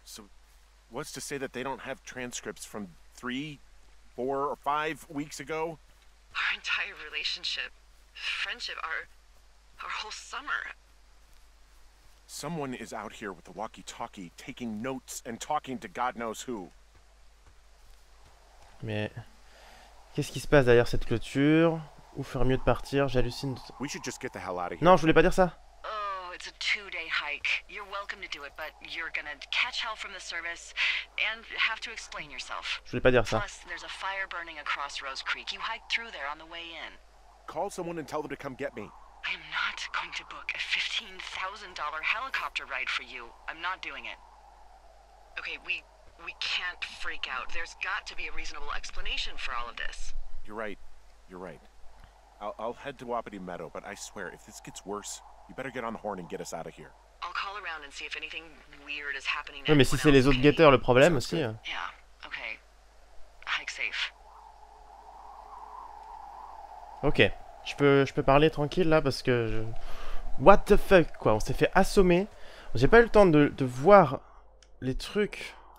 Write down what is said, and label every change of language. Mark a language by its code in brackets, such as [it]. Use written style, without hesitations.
[en] So, what's to say that they don't have transcripts from 3, 4, or 5 weeks ago? Our entire relationship, friendship, our whole summer. Someone is out here with the walkie-talkie, taking notes and talking to God knows who. [fr] Mais qu'est-ce qui se passe derrière cette clôture? Ou faire mieux de partir? J'hallucine. [en] We should just get the hell out of here. [fr] Non, je voulais pas dire ça. [en] It's a 2-day hike. You're welcome to do it, but you're gonna catch hell from the service and have to explain yourself. [fr] Je voulais pas dire ça. [en] Plus, there's a fire burning across Rose Creek. You hiked through there on the way in. Call someone and tell them to come get me. I am not going to book a $15,000 helicopter ride for you. I'm not doing it. Okay, we can't freak out. There's got to be a reasonable explanation for all of this. You're right. You're right. I'll head to Wapiti Meadow, but I swear, if this gets worse... You better get on the horn and get us out of here. I'll call around and see if anything weird is happening. [fr] Oui, mais si c'est les autres guetteurs le problème aussi. [en] Yeah, okay. Hike safe. [fr] Ok, je peux parler tranquille là parce que... [en] What the fuck [fr] quoi, on s'est fait assommer. J'ai pas eu le temps de voir les trucs.